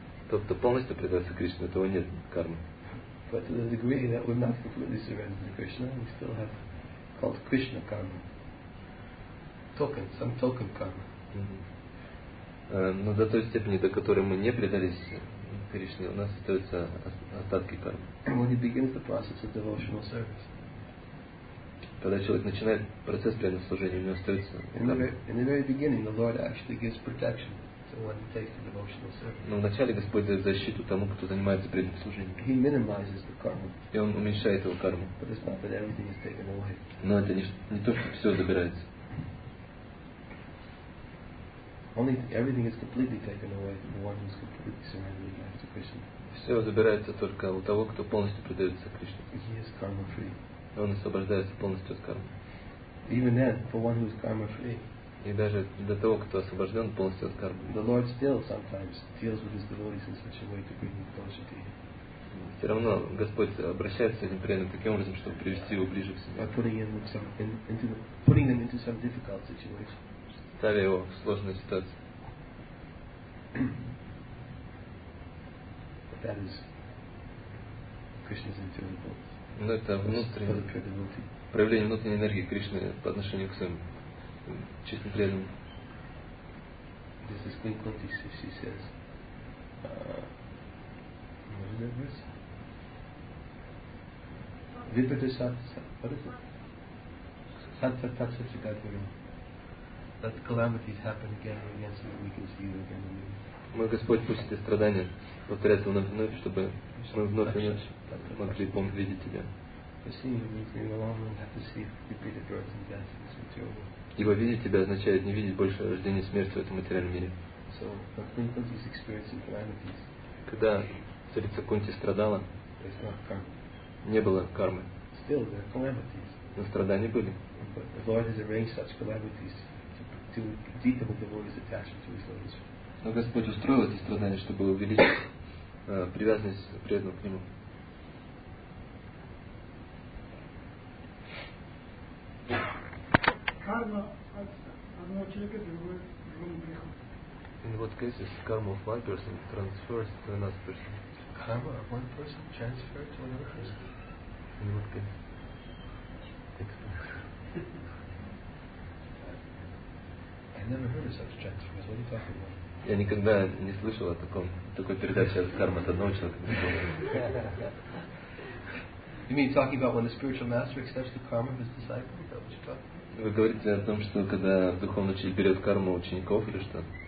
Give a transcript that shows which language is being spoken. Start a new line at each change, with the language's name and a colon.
Russian: Тот, кто полностью предается Кришне, у того нет кармы.
English: But to the degree that we're not completely surrendered to Krishna, we still have called Krishna karma. Token, some token karma.
Russian: Но до той степени, до которой мы не предались Кришне, у нас остаются остатки кармы.
English: And when he begins the process of devotional service.
Russian: Когда человек начинает процесс преданного служения, у него остается карма.
English: In the very beginning, the Lord actually gives protection to one who takes the devotional service.
Russian: Но вначале Господь дает защиту тому, кто занимается преданным служением.
English: He minimizes the karma.
Russian: И он уменьшает его карму.
English: But it's not that everything is taken away.
Russian: Но это не то, что все забирается.
English: Only everything is completely taken away from the one who's completely surrendered back to Krishna.
Russian: Все забирается только у того, кто полностью предается Кришне.
English: He is karma free.
Russian: Он освобождается полностью от кармы.
English: Even then, for one who is karma free.
Russian: И даже для того, кто освобожден полностью от кармы.
English: The Lord still sometimes deals with his devotees in such a way to bring them closer to him.
Russian: Все равно Господь обращается к ним преданным таким образом, чтобы привести его ближе к себе.
English: By putting them into some difficult situation.
Russian: Ставя его в сложную ситуацию.
English: That is Krishna's internal potency.
Russian: Но это внутреннее проявление внутренней энергии Кришны по отношению к своим чистым преданным.
English: This is Queen Kunti, she says. What is that verse? Vipata Sattva. What is it? Sattva Tatsa Chikadvara. That calamities happen again and again so that we can see them again and again.
Russian: Мой Господь пусть эти страдания повторяются вновь и вновь, чтобы мы вновь и вновь могли помнить видеть Тебя.
English: For seeing you means being alone and have to see repeated births and deaths in this material world.
Russian: Ибо видеть Тебя означает не видеть больше рождения и смерти в этом материальном мире.
English: So, when Kunti is experiencing calamities,
Russian: когда царица Кунти страдала,
English: there's not karma.
Russian: Не было кармы.
English: Still, there are calamities.
Russian: Но страдания были.
English: But the Lord has arranged such calamities to deepen the devotee's attachment to his lotus feet.
Russian: Но Господь устроил эти страдания, чтобы увеличить привязанность преданного к Нему. Карма от одного человека к другому приходит.
English: In what case is karma of one person transfers to another person? Karma of one person transfers to another person? In what case? I never heard of such transfers. What are you talking about?
Russian: Я никогда не слышал о таком, такой передаче от кармы от одного человека.
English: You mean talking about when the spiritual master accepts the karma of his disciple? Is that what you're talking about?
Russian: Вы говорите о том, что когда духовный учитель берет карму учеников или что?